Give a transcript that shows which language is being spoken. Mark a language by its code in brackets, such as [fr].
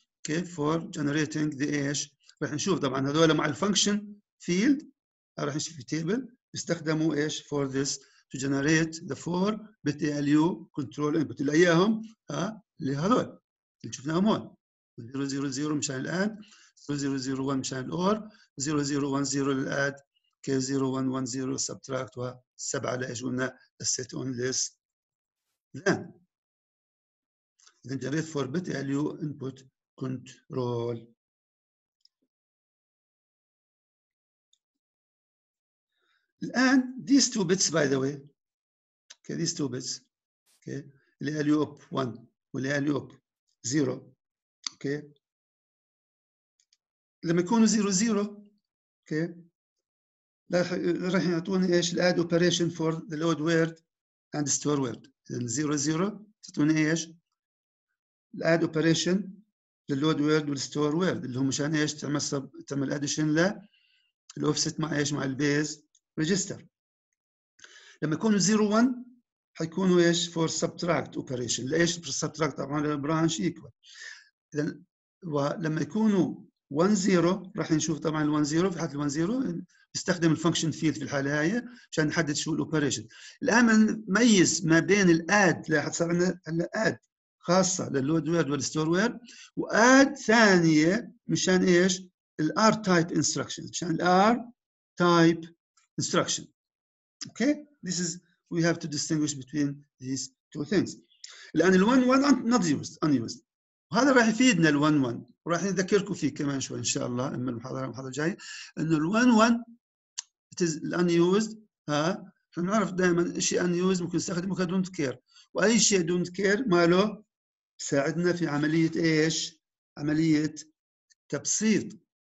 [ar] اوكي [en] for generating the [ar] ايش، راح نشوف طبعا هذول مع الفانكشن فيلد راح نشوف في تيبل بيستخدموا ايش فور ذس تو جنريت ذا 4 بت ال يو كنترول انبوت اللي اياهم اللي هذول اللي شفناهم هون 000 مشان الاد 0001 مشان الاور 0010 للاد كي 0110 سبتراكت و7 لايش قلنا السيت اون ليست. الان اذا جنريت 4 بت ال يو انبوت كنترول الآن [en] these two bits by the way okay these two bits okay [ar] اللي ALU up 1 واللي ALU up 0 okay لما يكونوا 0 0 okay راح يعطوني ايش الاد [en] operation for the load word and store word. [ar] اذا 0 0 تعطوني ايش الاد operation للload word والstore word اللي هو مشان ايش تعمل addition ل الاوفست مع ايش مع البيز register. لما يكونوا 01 حيكونوا ايش [en] for subtract operation. [ar] ليش [en] for subtract؟ طبعا branch equal. [ar] اذا ولما يكونوا 10 راح نشوف طبعا ال 10 في حاله ال 10 نستخدم الفانكشن فيلد في الحاله هاي عشان نحدد شو الاوبريشن. الان نميز ما بين الاد، لاحظ صار عندنا اد خاصه للود وير والستور وير، واد ثانيه مشان ايش الار تايب instruction مشان الار تايب instruction. [en] Okay, this is we have to distinguish between these two things. [ar] الآن ال [en] 1-1 not used, unused. [ar] وهذا راح يفيدنا ال 1-1 وراح نذكركم فيه كمان شوي إن شاء الله أما المحاضرة الجاية، إنه ال 1-1 [en] it is unused. [ar] ها إحنا نعرف دائما شيء unused ممكن نستخدمه ك don't care، وأي شيء don't care ماله ساعدنا في عملية إيش؟ عملية تبسيط.